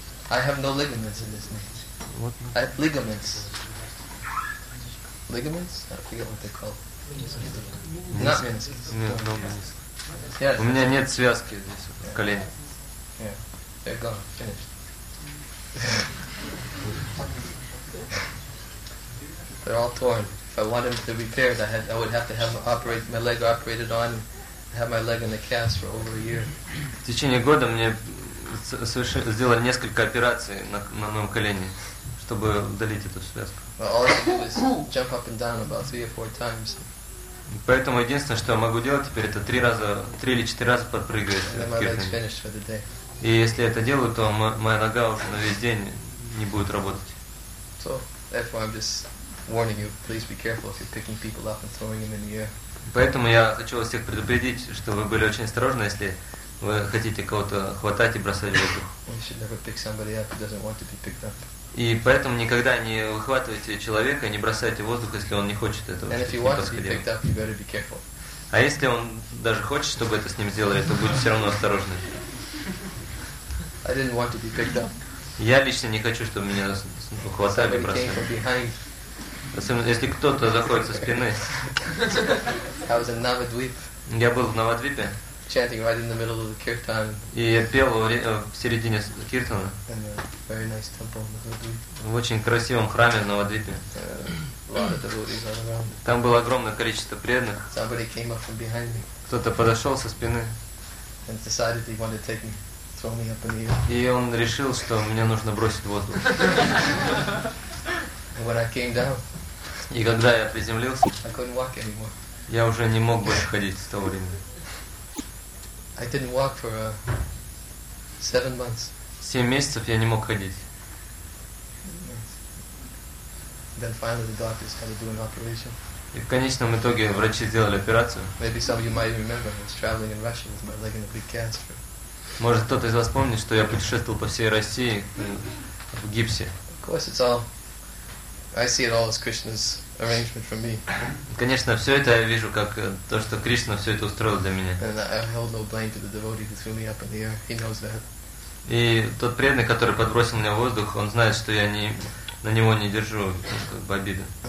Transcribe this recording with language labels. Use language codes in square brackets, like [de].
[en] I have no ligaments in this knee. What? I have ligaments? I forget what they're called. Not meniscus. Yes. [ru] У меня нет связки здесь, в колене. [en] Yeah, they're gone, finished. They're all torn. If I wanted them to be repaired, I would have to have my leg operated on and have my leg in the cast for over a year. [ru] В течение года мне сделали несколько операций на моем колене, чтобы удалить эту связку. [en] Well, all I could do is jump up and down about 3 or 4 times. [ru] Поэтому единственное, что я могу делать теперь, это 3 или 4 раза подпрыгивать. [en] And then my leg's finished for the day. [ru] И если я это делаю, то моя нога уже на весь день не будет работать. [en] So, therefore, I'm just warning you, please be careful if you're picking people up and throwing them in the air. [ru] Поэтому я хочу вас всех предупредить, что вы были очень осторожны, если вы хотите кого-то хватать и бросать в воздух. [en] You should never pick somebody up who doesn't want to be picked up. [ru] И поэтому никогда не выхватывайте человека, не бросайте в воздух, если он не хочет этого. [en] And if you want to be picked up, you better be careful. [ru] А если он даже хочет, чтобы это с ним сделали, то будьте все равно осторожны. [en] I didn't want to be picked up. [ru] Я лично не хочу, чтобы меня ухватали и бросали. [en] Somebody came from behind. [ru] Если кто-то заходит со спины. [en] I was in Navadvip. [ru] Я был в Навадвипе. [en] Chanting right in the middle of the kirtan. [ru] И я пел в середине киртана. [en] In a very nice temple in Navadvip. [ru] В очень красивом храме в Навадвипе. [en] Lot of devotees all around. [ru] Там было огромное количество преданных. [en] Somebody came up from behind me. [ru] Кто-то подошел со спины. [en] And decided he wanted to take me. [ru] И он решил, что мне нужно бросить воздух. [en] When I came down, [ru] и когда я приземлился, [en] I couldn't walk anymore. [ru] Я уже не мог больше ходить с того времени. [en] I didn't walk for 7 months. [ru] 7 месяцев я не мог ходить. [en] Then finally the doctors had to do an operation. [ru] И в конечном итоге врачи сделали операцию. [en] Maybe some of you might remember, I was traveling in Russia with my leg in a big cast. [ru] Может, кто-то из вас помнит, что я путешествовал по всей России в гипсе. [en] Of course, it's all. I see it all as Krishna's arrangement for me. [ru] Конечно, все это я вижу как то, что Кришна все это устроил для меня. [en] And I hold no blame to the devotee who threw me up in the air. He knows that. [ru] И тот преданный, который подбросил меня в воздух, он знает, что я на него не держу как бы обиды.